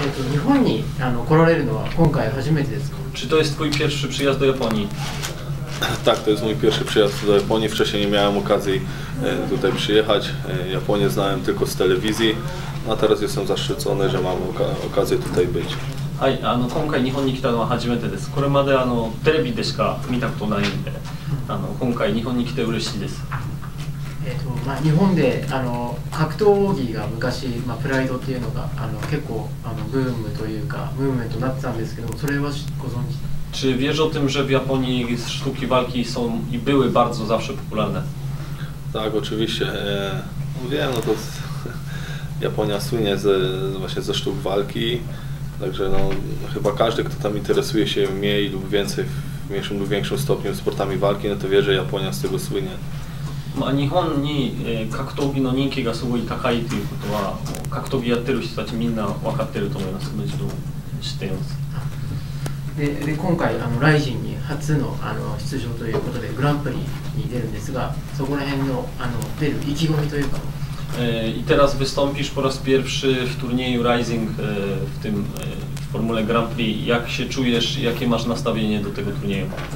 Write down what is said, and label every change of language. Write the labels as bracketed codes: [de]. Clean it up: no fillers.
[ja] 日本に来られるのは今回初めてですか？ [pl] Czy to jest twój pierwszy przyjazd do Japonii? Tak, to jest mój pierwszy przyjazd do Japonii. Wcześniej nie miałem okazji tutaj przyjechać. Japonię znałem tylko z telewizji, a teraz jestem zaszczycony, że mam okazję tutaj być. [ja] はい、今回日本に来たのは初めてです。これまでテレビでしか見たことないんで、今回日本に来て嬉しいです。まあ、日本で格闘技が昔、まあ、プライドっていうのが結構ブームというかムーブメントになってたんですけど、それはご存知？ [pl] Czy wiesz o tym, że w Japonii sztuki walki są i były bardzo zawsze popularne? Tak, oczywiście. Wiem, no to Japonia słynie właśnie ze sztuk walki. Także no, chyba każdy, kto tam interesuje się mniej lub więcej, w mniejszym lub większym stopniu sportami walki, no to wie, że Japonia z tego słynie. [ja] まあ日本に格闘技の人気がすごい高いということは、格闘技やってる人たちみんな分かってると思います。むしろ知っています。で今回ライジンに初の出場ということでグランプリに出るんですが、そこら辺の出る意気込みというか。 [pl] I teraz wystąpisz po raz pierwszy w turnieju Rising, w tym w formule Grand Prix. Jak się czujesz, jakie masz nastawienie do tego turnieju?